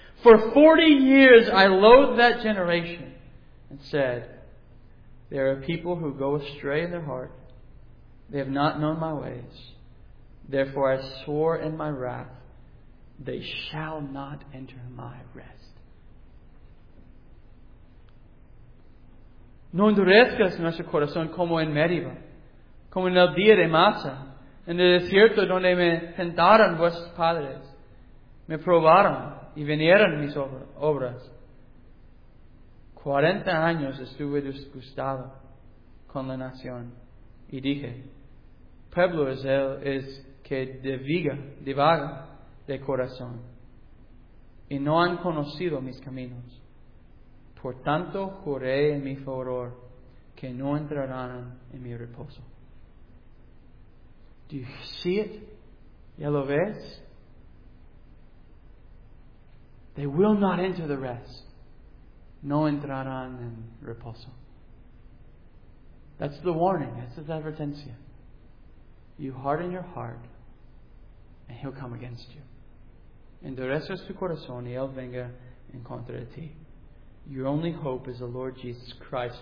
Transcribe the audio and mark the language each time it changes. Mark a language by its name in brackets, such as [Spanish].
[English] For 40 years I loathed that generation and said, there are people who go astray in their heart. They have not known my ways. Therefore I swore in my wrath, they shall not enter my rest. [Spanish] No endurezcas nuestro corazón como en Meriba, como en el día de Masa, en el desierto donde me tentaron vuestros padres, me probaron y vinieron mis obras. 40 años estuve disgustado con la nación y dije, pueblo es él es que divaga de corazón y no han conocido mis caminos. Por tanto, juré en mi furor que no entrarán en mi reposo. [English] Do you see it? [Spanish] ¿Ya lo ves? [English] They will not enter the rest. [Spanish] No entrarán en reposo. [English] That's the warning. That's the advertencia. You harden your heart and He'll come against you. [Spanish] Endureces tu corazón y Él venga en contra de ti. [English] Your only hope is the Lord Jesus Christ.